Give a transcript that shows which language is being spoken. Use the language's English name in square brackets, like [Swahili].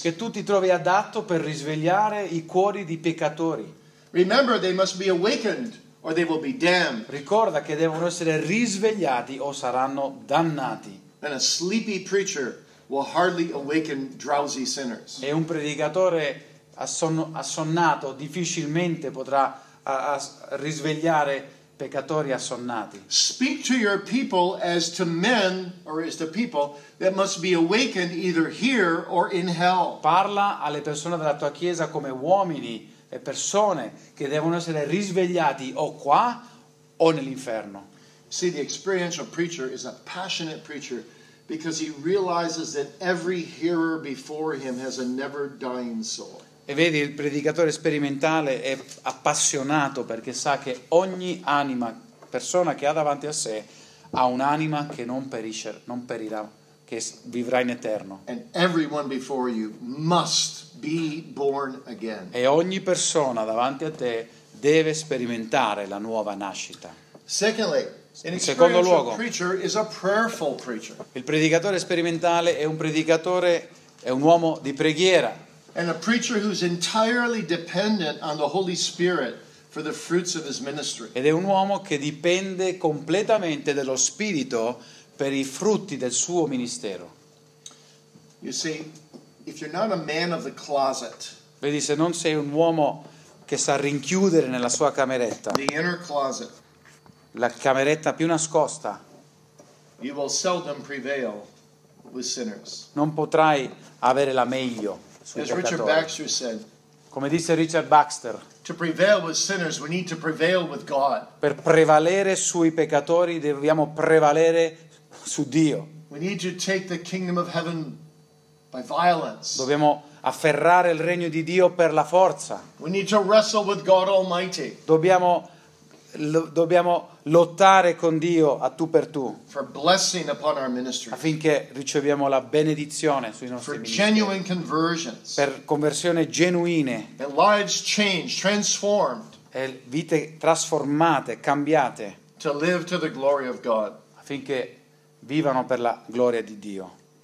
[Italian] Che tu ti trovi adatto per risvegliare i cuori di peccatori. [English] Remember, they must be awakened or they will be damned. [Italian] Ricorda che devono essere risvegliati o saranno dannati. [English] And a sleepy preacher will hardly awaken drowsy sinners. [Italian] E un predicatore assonnato difficilmente potrà risvegliare peccatori assonnati. [English] Speak to your people as to men or as to people that must be awakened either here or in hell. [Italian] Parla alle persone della tua chiesa come uomini e persone che devono essere risvegliati o qua o nell'inferno. [English] See, the experiential preacher is a passionate preacher because he realizes that every hearer before him has a never dying soul. [Italian] E vedi, il predicatore sperimentale è appassionato perché sa che ogni anima, persona che ha davanti a sé, ha un'anima che non perirà, che vivrà in eterno. [English] And everyone before you must be born again. [Italian] E ogni persona davanti a te deve sperimentare la nuova nascita. [English] Secondly, [Italian] in secondo luogo, [English] preacher is a prayerful preacher. [Italian] Il predicatore sperimentale è un predicatore, è un uomo di preghiera. [English] And a preacher who's entirely dependent on the Holy Spirit for the fruits of his ministry. [Italian] Ed è un uomo che dipende completamente dallo Spirito per i frutti del suo ministero. [English] You see, if you're not a man of the closet. [Italian] Vedi, se non sei un uomo che sa rinchiudere nella sua cameretta. [English] The inner closet. [Italian] La cameretta più nascosta. [English] You will seldom prevail with sinners. [Italian] Non potrai avere la meglio sui peccatori. [English] As Richard Baxter said, [Italian] come disse Richard Baxter, [English] to prevail with sinners, we need to prevail with God. [Italian] Per prevalere sui peccatori dobbiamo prevalere su Dio. [English] We need to take the kingdom of heaven by violence. [Italian] Dobbiamo afferrare il regno di Dio per la forza. [English] We need to wrestle with God Almighty. [Italian] Dobbiamo lottare con Dio a tu per tu affinché riceviamo la benedizione sui nostri ministeri, per conversioni genuine e vite trasformate, cambiate affinché vivano per la gloria di Dio.